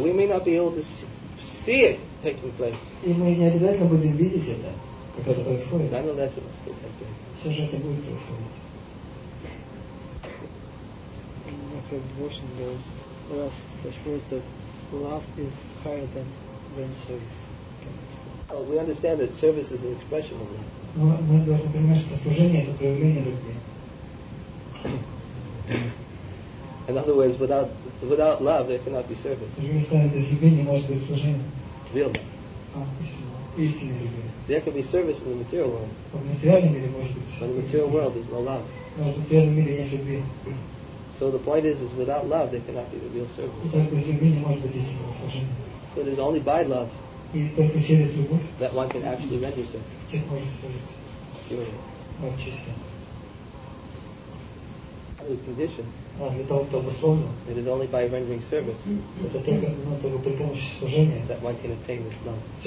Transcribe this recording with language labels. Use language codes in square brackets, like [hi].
[en] We may not be able to see it taking place. [ru] И мы не обязательно будем видеть это, как это происходит. [en] Nonetheless, it will still take place. [ru] Все же это будет происходить. [en] After abortion goes, what else? Such words that love is higher than service. Well, we understand that service is an expression of love. [ru] Мы должны понимать, что служение это проявление любви. [en] In other words, without love there cannot be service. [ru] Другими словами, без любви не может быть служения. [en] Real love. [ru] Истинная любовь. [en] There can be service in the material world. [ru] В материальном мире может быть. [en] But in the material world there's no love. [ru] Но в материальном мире нет любви. [en] So the point is without love there cannot be the real service. [ru] Итак, без любви не может быть истинного служения. [en] So it is only by love. [ru] И только через любовь. [en] That one can actually render service. [ru] Тех можно служить. Очистить. [en] absolute condition. It is only by rendering service that one can attain this love.